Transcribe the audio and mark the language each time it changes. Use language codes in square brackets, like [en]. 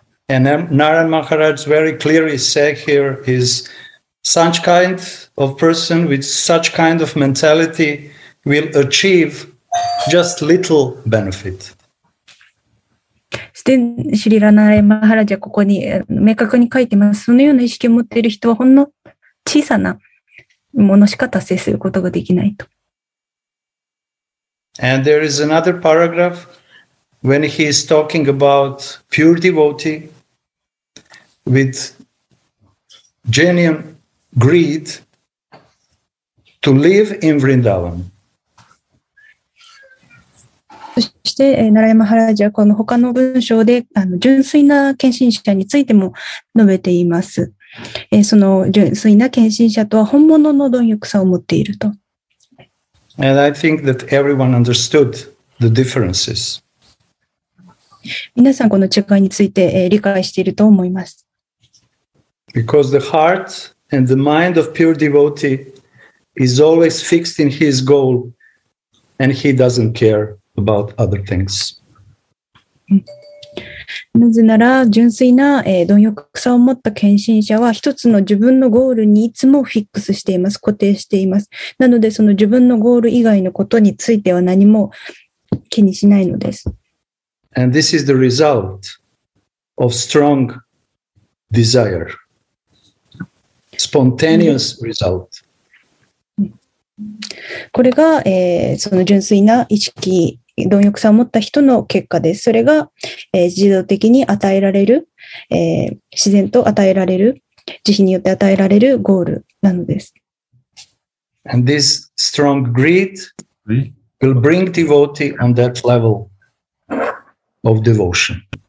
[en] And Narayan Maharaj very clearly said here is such kind of person with such kind of mentality will achieve just little benefit. [ja] でシリラナレマハラジャここに明確に書いてます。そのような意識を持っている人はほんの小さなものしか達成することができないと。 [en] And there is another paragraph when he is talking about pure devotee with genuine greed to live in Vrindavan. [ja] そしてナラヤマハラジはこの他の文章で純粋な献身者についても述べています。その純粋な献身者とは本物の貪欲さを持っていると。 [en] And I think that everyone understood the differences. [ja] 皆さんこの違いについて理解していると思います。 [en] Because the heart and the mind of pure devotee is always fixed in his goal and he doesn't careabout other things. [ja] なぜなら純粋な貪欲さを持った献身者は一つの自分のゴールにいつもフィックスしています。固定しています。なのでその自分のゴール以外のことについては何も気にしないのです。 [en] And this is the result of strong desire. Spontaneous result. [ja] これが、その純粋な意識、貪欲さを持った人の結果です。それが、自動的に与えられる、自然と与えられる、慈悲によって与えられるゴールなのです。 [en] And this strong greed will bring devotee on that level of devotion.